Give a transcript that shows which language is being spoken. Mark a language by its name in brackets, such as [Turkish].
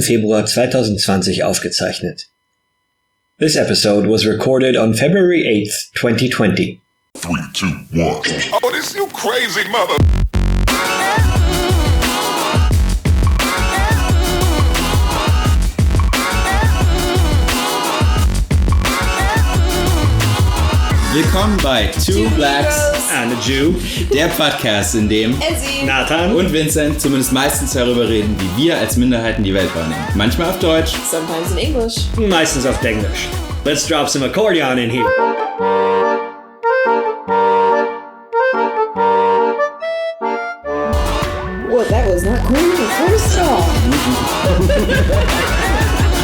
[German] Februar 2020 aufgezeichnet. [English] This episode was recorded on February 8th, 2020. 3, 2, 1. Oh, this you crazy mother... [German] Willkommen bei Two Blacks and a Jew, der Podcast, in dem Nathan und Vincent zumindest meistens darüber reden, wie wir als Minderheiten die Welt wahrnehmen. Manchmal auf Deutsch, [English] sometimes in English, [German] meistens auf Englisch. [English] Let's drop some accordion in here. Well, that was not cool the first time.